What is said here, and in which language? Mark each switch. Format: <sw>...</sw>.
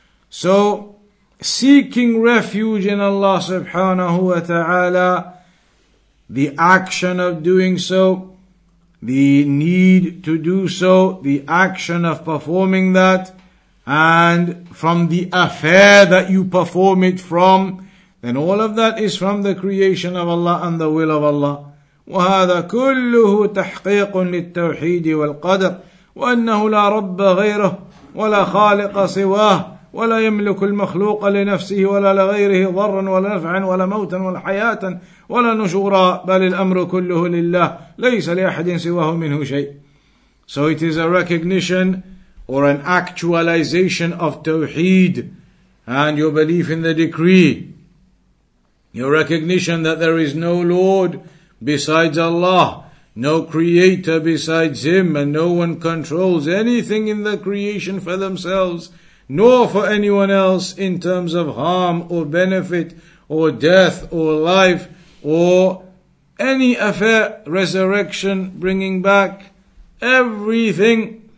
<en>So, seeking refuge in Allah subhanahu wa ta'ala, the action of doing so, the need to do so, the action of performing that, and from the affair that you perform it from, then all of that is from the creation of Allah and the will of Allah.</en> <ar>وهذا كله تحقيق للتوحيد والقدر، وأنه لا رب غيره ولا خالق سواه، ولا يملك المخلوق لنفسه ولا لغيره ضرا ولا نفعا ولا موتا ولا حياة ولا نشورا، بل الأمر كله لله، ليس لأحد سواه منه شيء.</ar> <en>So it is a recognition or an actualization of tawheed and your belief in the decree. Your recognition that there is no Lord besides Allah, no creator besides Him, and no one controls anything in the creation for themselves, nor for anyone else in terms of harm or benefit or death or life or any affair, resurrection, bringing back, everything.</en>